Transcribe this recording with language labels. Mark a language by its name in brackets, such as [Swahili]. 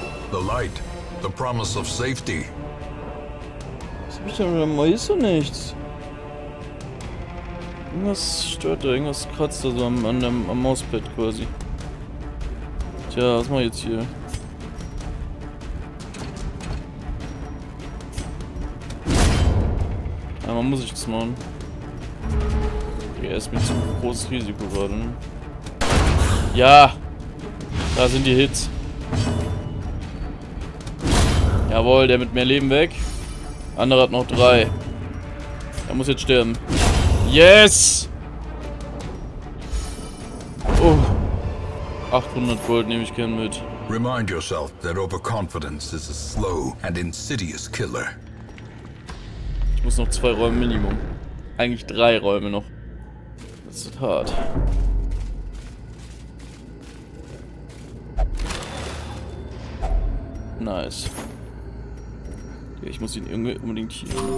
[English] The light, the promise of safety. [German] Was hab ich denn mit dem Maus so nichts? Irgendwas stört da, irgendwas kratzt da so am Mauspad quasi. Tja, was mach ich jetzt hier? Einmal muss ich das machen. Der ist mir zu großes Risiko gerade, ne? Ja! Da sind die Hits. Jawohl, der mit mehr Leben weg. Andere hat noch drei. Er muss jetzt sterben. Yes! 800 Gold nehme ich gern mit. [English] Remind yourself that overconfidence is a slow and insidious killer. [German] Ich muss noch zwei Räume Minimum. Eigentlich drei Räume noch. Das ist hart. Nice. Ich muss ihn irgendwie unbedingt hier.